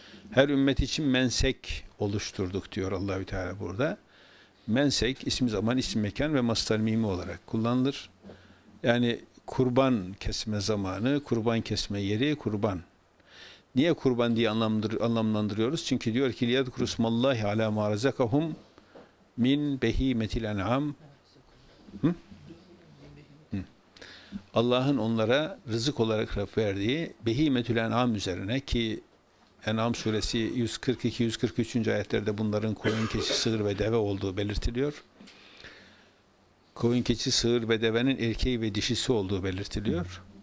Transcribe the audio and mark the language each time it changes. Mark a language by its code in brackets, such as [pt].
[tr] Her ümmet için mensek oluşturduk diyor Allah-u Teala burada. Mensek, ismi zaman, ismi mekan ve mastar mimi olarak kullanılır. Yani kurban kesme zamanı, kurban kesme yeri, kurban. Niye kurban diye anlamlandırıyoruz? Çünkü diyor ki [ar] لِيَدْكُرُ اسْمَ اللّٰهِ عَلَى مَا رَزَقَهُمْ مِنْ بَهِيمَةِ الْاَنْعَامِ. [tr] Allah'ın onlara rızık olarak verdiği behimetül en'am üzerine, ki En'am suresi 142-143. ayetlerde bunların koyun, keçi, sığır ve deve olduğu belirtiliyor. Koyun, keçi, sığır ve devenin erkeği ve dişisi olduğu belirtiliyor.